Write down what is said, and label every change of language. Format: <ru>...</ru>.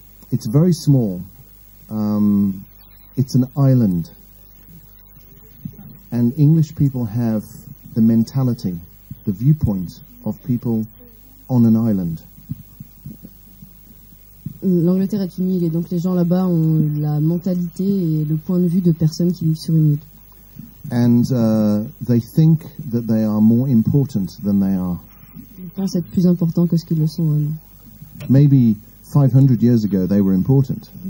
<en>It's very small. It's an island. And English people have the mentality, the viewpoint of people on an island.</en> <fr>L'Angleterre est une île, et donc les gens là-bas ont la mentalité et le point de vue de personnes qui vivent sur une île.</fr> <en>And they think that they are more important than they are.</en> <fr>Ils pensent être plus importants que ce qu'ils le sont vraiment.</fr> <en>Maybe 500 years ago they were important.</en>